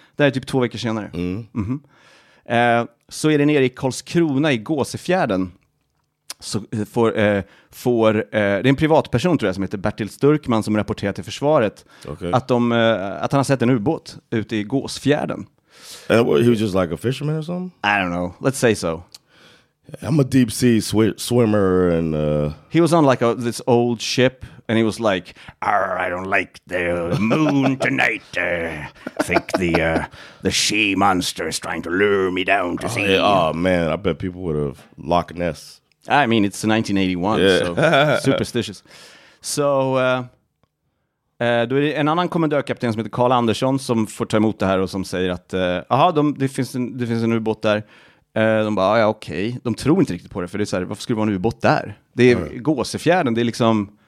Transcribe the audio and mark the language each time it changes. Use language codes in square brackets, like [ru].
[sv] Det är typ två veckor senare. Mm. Mm-hmm. Så är det nere i Karlskrona i Gåsefjärden. Så får det är en privatperson tror jag som heter Bertil Sturkman som rapporterar till försvaret att han har sett en ubåt ute i Gåsefjärden. [en] And what, he was just like a fisherman or something? I don't know. Let's say so. I'm a deep sea swimmer and he was on like this old ship and he was like, I don't like the moon tonight. I think the she monster is trying to lure me down to sea. Oh man, I bet people would have Loch Ness. I mean, it's 1981, yeah. So superstitious. [sv] So då är det en annan kommendörkapten som heter Carl Andersson som får ta emot det här och som säger att det finns en ubåt där. De bara, ja okej, okay. De tror inte riktigt på det. För det är så här, varför skulle det vara en ubåt där? Det är Gåsefjärden, det är liksom.